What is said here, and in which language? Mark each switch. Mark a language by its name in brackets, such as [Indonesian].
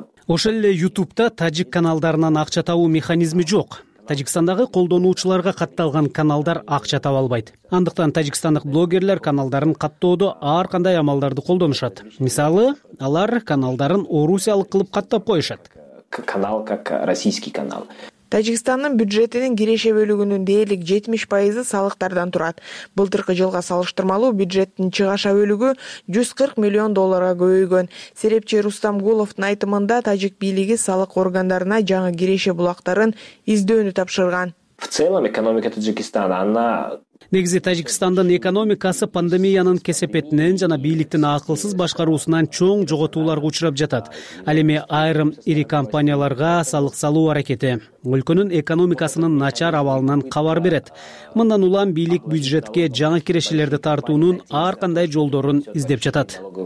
[Kyrgyz] Ошол эле YouTube'та тажик каналдарынан акча табуу механизми жок. Тажикстандагы колдонуучуларга катталган каналдар акча таба албайт. Андыктан тажикстандык блогерлер каналдарын каттоодо ар кандай амалдарды колдонушат. Мисалы, алар каналдарын орусиялык кылып каттап коюшат. [Russian] Канал как российский канал. [Kyrgyz] Тажикстандын бюджетинин киреше бөлүгүнүн дээрлик 70% салыктардан турат. Былтыркы жылга салыштырмалуу бюджеттин чыгаша бөлүгү 140 миллион долларга көбөйгөн. Серепчи Рустам Гуловтун айтымында тажик бийлиги салык органдарына жаңы киреше булактарын издөөнү тапшырган. [Russian] В целом экономика Таджикистана, она. [Kyrgyz] Негизи Тажикстандын экономикасы пандемиянын кесепетинен жана бийликтин акылсыз башкаруусунан чоң жоготууларга учурап жатат. Ал эми айрым ири компанияларга салык салуу аракети өлкөнүн экономикасынын начар абалынан кабар берет. Мындан улам бийлик бюджетке жаңы кирешелерди тартуунун ар кандай жолдорун издеп жатат.